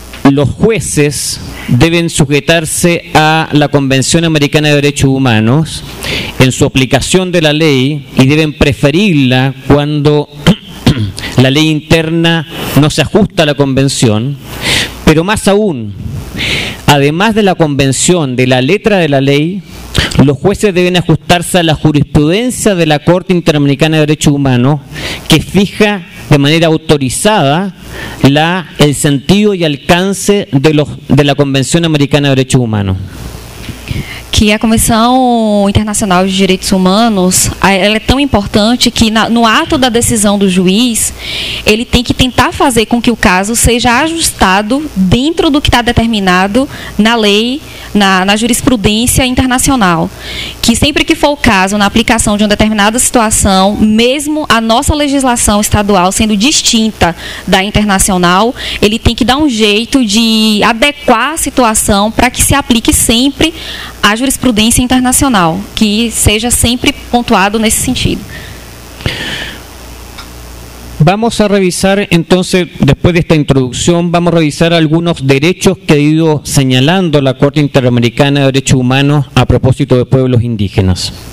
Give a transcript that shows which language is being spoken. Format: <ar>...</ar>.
<es>los jueces deben sujetarse a la Convención Americana de Derechos Humanos en su aplicación de la ley y deben preferirla cuando la ley interna no se ajusta a la Convención, pero más aún, además de la Convención, de la letra de la ley, Los jueces deben ajustarse a la jurisprudencia de la Corte Interamericana de Derechos Humanos, que fija de manera autorizada el sentido y alcance de la Convención Americana de Derechos Humanos.</es> <pt>Que a Comissão Internacional de Direitos Humanos, ela é tão importante que no ato da decisão do juiz, ele tem que tentar fazer com que o caso seja ajustado dentro do que está determinado na lei, na jurisprudência internacional. Que sempre que for o caso, na aplicação de uma determinada situação, mesmo a nossa legislação estadual sendo distinta da internacional, ele tem que dar um jeito de adequar a situação para que se aplique sempre a jurisprudência internacional, que seja sempre pontuado nesse sentido.</pt> <es>Vamos a revisar, entonces, después de esta introducción, vamos a revisar algunos derechos que ha ido señalando la Corte Interamericana de Derechos Humanos a propósito de pueblos indígenas.</es>